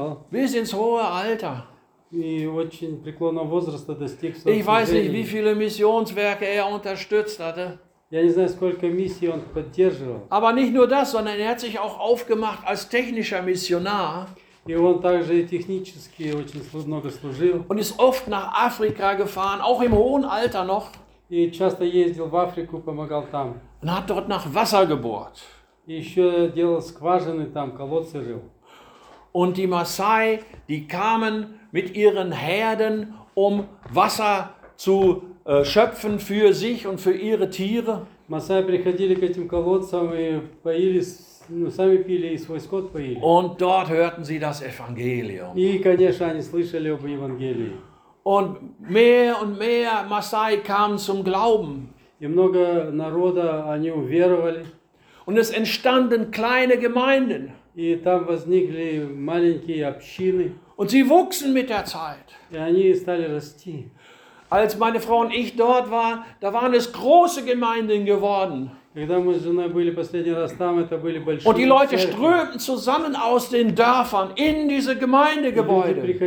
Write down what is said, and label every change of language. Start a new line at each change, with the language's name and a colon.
German: Bis ins hohe Alter. Ich weiß nicht, wie viele Missionswerke er unterstützt hatte.
Russian: Я не знаю, сколько миссий он поддерживал.
German: Aber nicht nur das, sondern er hat sich auch aufgemacht als technischer Missionar.
Russian: И он также и технически очень много служил.
German: Und ist oft nach Afrika gefahren, auch im hohen Alter noch.
Russian: И часто ездил в Африку, помогал там.
German: Und hat dort nach Wasser gebohrt.
Russian: И еще делал скважины там, колодцы рыл.
German: Und die Maasai, die kamen mit ihren Herden, um Wasser zu schöpfen für sich und für ihre Tiere.
Russian: Масаи приходили к этим колодцам и поили, ну, сами пили и свой скот поили.
German: Und dort hörten sie das Evangelium.
Russian: И, конечно, они слышали об Евангелии.
German: Und mehr Масаи kamen zum Glauben.
Russian: И много народа, они уверовали.
German: Und es entstanden kleine Gemeinden.
Russian: И там возникли маленькие общины.
German: Und sie wuchsen mit der Zeit.
Russian: И они стали расти.
German: Als meine Frau und ich dort waren, da waren es große Gemeinden geworden. Und die Leute strömten zusammen aus den Dörfern in diese Gemeindegebäude.